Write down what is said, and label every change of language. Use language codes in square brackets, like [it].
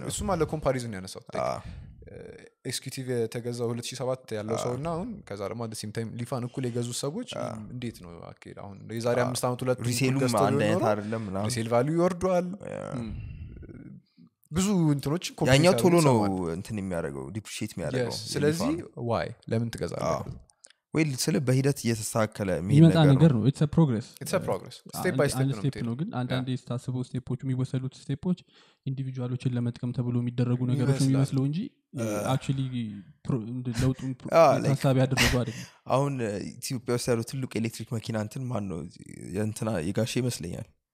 [am] ነው እሱም አለ ኮምፓሪዝን ያነሳው ኤክስኪዩቲቭ ተገዛው 2007 ያለው ሰውና አሁን ከዛ ደግሞ አንድ ሲም ታይም ሊፋን እኩል የገዙ ሰዎች እንዴት ነው አኬድ አሁን የዛሬ 5 አመት ሁለት ሪሴሉ አንድ አይነት አይደለም ማለት ሪሴል ቫልዩ ይወርዳል ብዙ እንትኖች ኮምፒውተር ያኛው ቶሎ ነው እንትን የሚያደርገው ዲፕሪሺየት የሚያደርገው ስለዚህ [en] why [am] ለምን ትገዛለህ ወይ ስለ በሂደት እየተሳካለ የሚመጣ ነገር ነው [en] it's a progress step by step [am] ነው ግን አንዳንዴ ስታስቡ ስቴፖቹ የሚወሰዱት ስቴፖች ኢንዲቪጁዋሎችን ለመጥቀም ተብሎ የሚደረጉ ነገሮች የሚመስለው እንጂ actually ለውጡን ታሳቢ ያደረጉ አይደለም አሁን ኢትዮጵያ ውስጥ ያለው ትልቁ ኤሌክትሪክ መኪና እንትን ማን ነው የእንትና የጋሼ ይመስለኛል